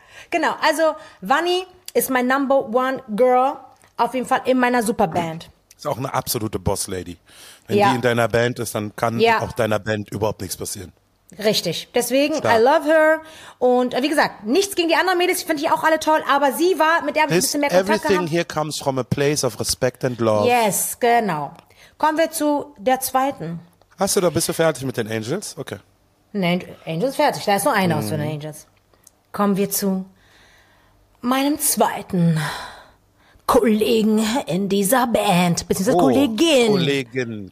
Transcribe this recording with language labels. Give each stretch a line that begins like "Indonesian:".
German: Genau, also Vanni ist mein Number One Girl, auf jeden Fall in meiner Superband. Ist auch eine absolute Boss-Lady. Wenn ja. die in deiner Band ist, dann kann ja. auch deiner Band überhaupt nichts passieren. Richtig. Deswegen, Star.
English: I love her.
German: Und wie gesagt, nichts gegen die anderen Mädels, ich finde die auch alle toll, aber sie war, mit der habe ich ein bisschen mehr Kontakt
English: everything
German: gehabt.
English: Everything here comes from a place of respect and love.
German: Yes, genau. Kommen wir zu der zweiten. Hast du da, bist du fertig mit den Angels? Okay. Nein, Angels fertig, da ist nur eine aus den Angels. Kommen wir zu meinem zweiten Kollegen in dieser Band, beziehungsweise oh, Kollegin.